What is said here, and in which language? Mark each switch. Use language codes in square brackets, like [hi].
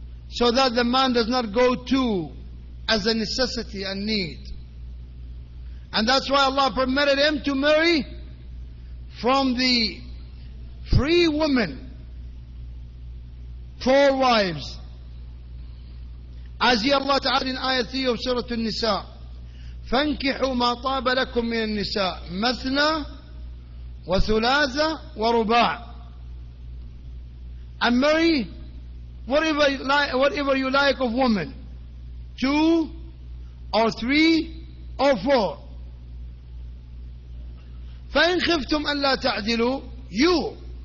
[en] so that the man does not go to as a necessity and need. And that's why Allah permitted him to marry from the free woman, four wives. As Allah Ta'ala in Ayah 3 of Surah An-Nisa, [ar] فَانْكِحُوا مَا طَابَ لَكُمْ مِنَ النِّسَاءِ مَثْنَى وَثُلَاثَ وَرُبَاعَ. [en] And marry whatever you like of woman, two or three or four. [ar] فَإِنْ خِفْتُمْ أَلَّا تَعْدِلُوا [en] you.